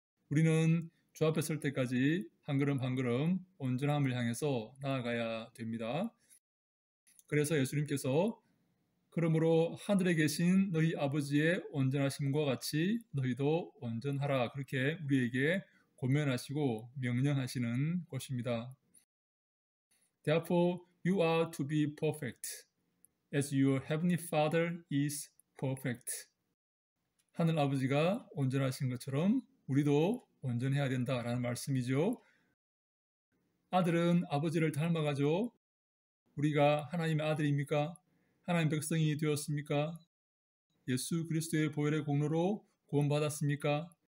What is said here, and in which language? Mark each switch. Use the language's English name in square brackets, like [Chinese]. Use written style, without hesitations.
[Korean] 우리는 주 앞에 설 때까지 한 걸음 한 걸음 온전함을 향해서 나아가야 됩니다. 그래서 예수님께서 그러므로 하늘에 계신 너희 아버지의 온전하심과 같이 너희도 온전하라 그렇게 우리에게 권면하시고 명령하시는 것입니다. [English] Therefore, you are to be perfect as your heavenly Father is perfect. [Korean] 하늘 아버지가 온전하신 것처럼 우리도 온전해야 된다라는 말씀이죠. 아들은 아버지를 닮아가죠. 우리가 하나님의 아들입니까? 하나님 백성이 되었습니까? 예수 그리스도의 보혈의 공로로 구원받았습니까?